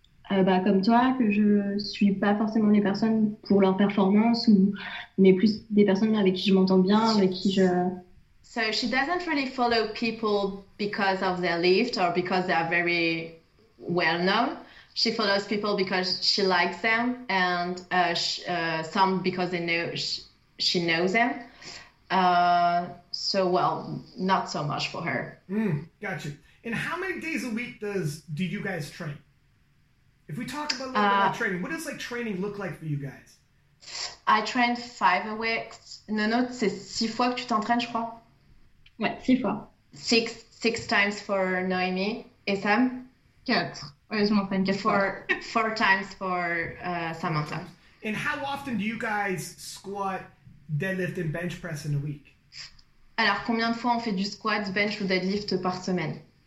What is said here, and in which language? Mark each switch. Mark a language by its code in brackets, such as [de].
[fr] Bah, comme toi, que je suis pas forcément les personnes pour leur performance, mais plus des personnes avec qui je m'entends bien, avec qui je... [en] So she doesn't really follow people because of their lift or because they are very well known. She follows people because she likes them, and some because they know she knows them. So, well, not so much for her. Gotcha. And how many days a week do you guys train? If we talk about a little bit about training, what does like training look like for you guys? I train 5 weeks. [fr] Non, c'est 6 fois que tu t'entraînes, je crois. Ouais, 6 fois. [en] Six times for Noémie et Sam. [fr] Quatre. Ouais, je m'entraîne 4 fois. [en] Four times for Four Samantha. times. And how often do you guys squat, deadlift, and bench press in a week? [fr] Alors, combien de fois on fait du squat, du bench ou deadlift par semaine?